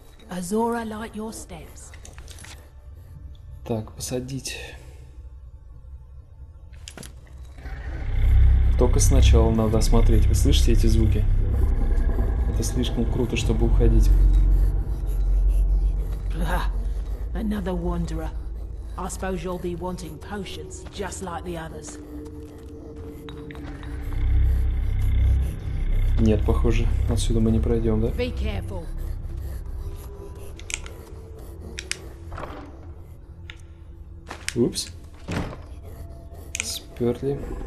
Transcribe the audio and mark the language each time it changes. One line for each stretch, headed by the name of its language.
English: Azora, light your steps.
Russian: Так, посадить. Только сначала надо осмотреть. Вы слышите эти звуки? Это слишком круто, чтобы уходить.
English: Another wanderer. I suppose you'll be wanting potions, just like the others.
Russian: Нет, похоже, отсюда мы не пройдем, да?
English: Be careful.
Russian: Упс. Сперли.